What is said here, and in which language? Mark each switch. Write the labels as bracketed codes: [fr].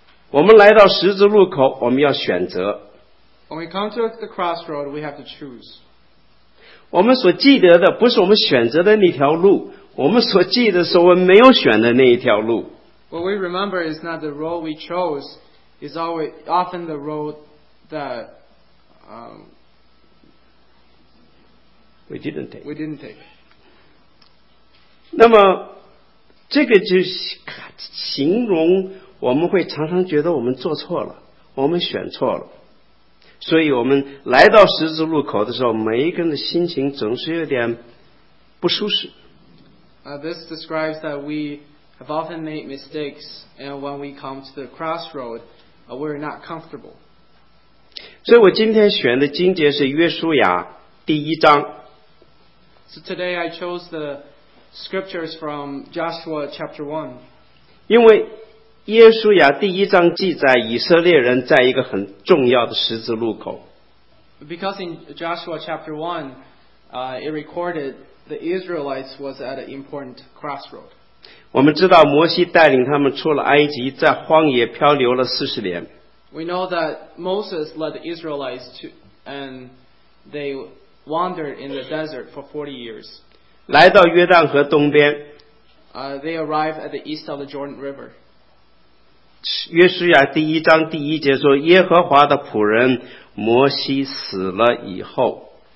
[zh] 我们来到十字路口，我们要选择。 [en] When we come to the crossroad, we have to choose. [zh] 我们所记得的不是我们选择的那条路，我们所记得是我们没有选的那一条路。 [en] What we remember is not the road we chose, is always often the road that we didn't take. [zh] 那么这个就是形容我们会常常觉得我们做错了，我们选错了，所以我们来到十字路口的时候，每一个人的心情总是有点不舒适。 [en] This describes that we have often made mistakes, and when we come to the crossroad, we're not comfortable. [zh] 所以我今天选的经节是约书亚第一章。 [en] So today I chose the scriptures from Joshua chapter 1. [zh] 因为约书亚第一章记载以色列人在一个很重要的十字路口。 [en] Because in Joshua chapter 1, it recorded the Israelites was at an important crossroad. [zh] 我们知道摩西带领他们出了埃及，在荒野漂流了四十年。 [en] We know that Moses led the Israelites to, and they wandered in the desert for 40 years. [zh] 来到约旦河东边。 [en] They arrived at the east of the Jordan River. [zh] 约书亚第一章第一节说，耶和华的仆人摩西死了以后。